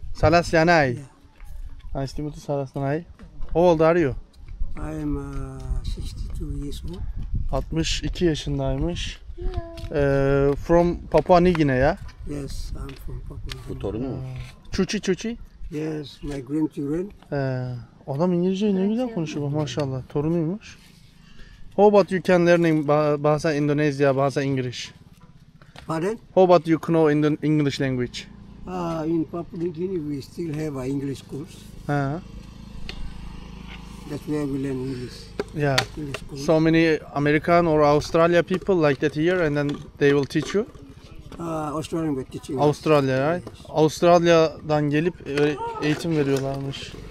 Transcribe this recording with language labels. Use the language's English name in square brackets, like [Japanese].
[English] Salas Yanay. Yeah. Nice to meet you, Salas Yanay. How old are you? I am 62 years old. [Turkish] 62 yaşındaymış. [English] Yeah. From Papua New Guinea, yeah? Yes, I'm from Papua New Guinea. [Turkish] Bu torunu mu? Çuçi. [English] Yes, my grandchildren. [Turkish] Adam İngilizce ne güzel konuşuyor, maşallah. Torunuymuş. [English] How about you can learn bazen Indonesia, bazen English? Pardon? How about you know in the English language? In Papua New Guinea, we still have an English course. That's where we learn English. Yeah. English course. So many American or Australia people like that here, and then they will teach you? Australian with teaching. Australia, right? Yes. [Turkish] Australia'dan gelip eğitim veriyorlarmış.